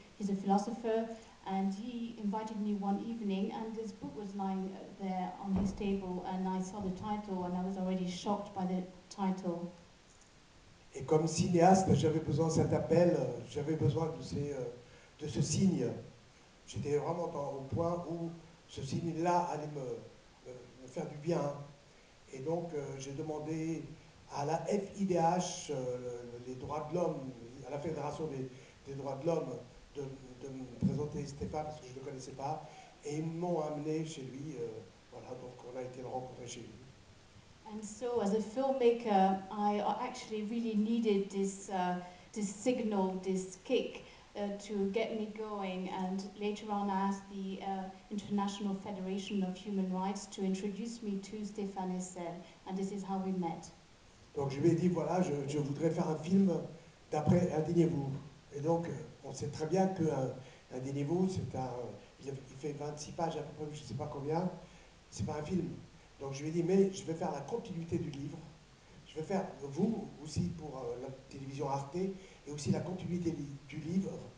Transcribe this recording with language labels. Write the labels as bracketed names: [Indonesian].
[English] He's a philosopher, and he invited me one evening, and his book was lying there on his table, and I saw the title, and I was already shocked by the title. [French] Et comme cinéaste, j'avais besoin de cet appel, j'avais besoin de ce signe. J'étais vraiment au point où ce signe-là allait me faire du bien. Et donc, j'ai demandé à la FIDH, les droits de l'homme, à la Fédération des droits de l'homme, de me présenter Stéphane, parce que je ne le connaissais pas. Et ils m'ont amené chez lui. Voilà, donc on a été le rencontrer chez lui. [English] And so, as a filmmaker, I actually really needed this this signal, this kick, to get me going. And later on, I asked the International Federation of Human Rights to introduce me to Stéphane Hessel, and this is how we met. [French] Donc, je lui ai dit, voilà, je voudrais faire un film d'après Indignez-vous. Et donc, on sait très bien que Indignez-vous, il fait 26 pages, à peu près, je ne sais pas combien, c'est pas un film. Donc je lui ai dit, mais je vais faire la continuité du livre. Je vais faire vous aussi pour la télévision Arte et aussi la continuité du livre.